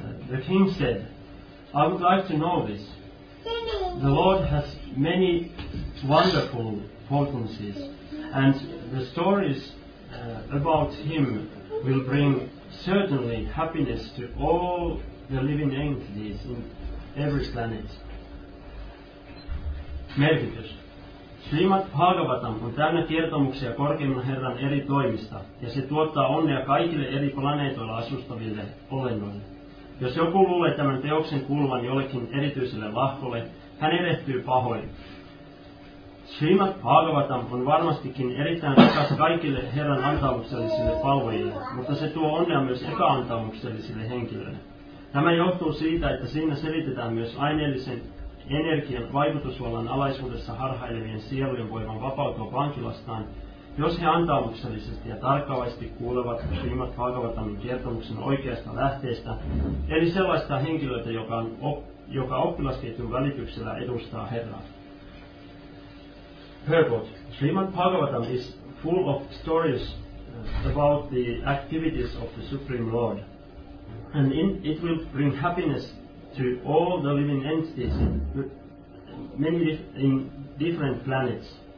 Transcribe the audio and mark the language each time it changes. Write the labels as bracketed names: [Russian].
[English] The king said, I would like to know this. The Lord has many wonderful potencies, and the stories about him will bring certainly happiness to all the living entities in every planet. [Finnish] Merkitys. Srimad Bhagavatam on täynnä kertomuksia korkeimman herran eri toimista, ja se tuottaa onnea kaikille eri planeetoilla asustaville olennoille. Jos joku luulee tämän teoksen kuuluvan jollekin erityiselle lahkolle, hän erehtyy pahoin. Srimad Bhagavatam on varmastikin erittäin rakas kaikille herran antamuksellisille palvojille, mutta se tuo onnea myös eka-antamuksellisille henkilöille. Tämä johtuu siitä, että siinä selitetään myös aineellisen energian vaikutusvallan alaisuudessa harhailevien sielujen voiman vapautua vankilastaan, jos he antaumuksellisesti ja tarkkaavasti kuulevat Srimad Bhagavatamin kertomuksen oikeasta lähteestä, eli sellaista henkilöitä, joka oppilasketjun välityksellä edustaa Herraa. [English] Herbot, Srimad Bhagavatam is full of stories about the activities of the Supreme Lord, and it will bring happiness to all the living entities living in different planets.